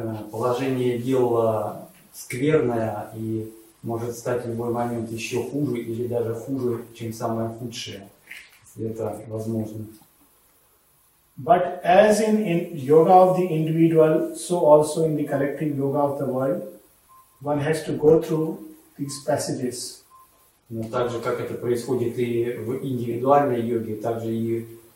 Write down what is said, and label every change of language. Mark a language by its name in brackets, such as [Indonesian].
[Russian] Положение дел скверное и может стать в любой момент еще хуже или даже хуже, чем самое худшее, если это возможно. [English] But as in yoga of the individual, so also in the collective yoga of the world, one has to go through these passages. [Russian] Но также как это происходит и в индивидуальной йоге, также и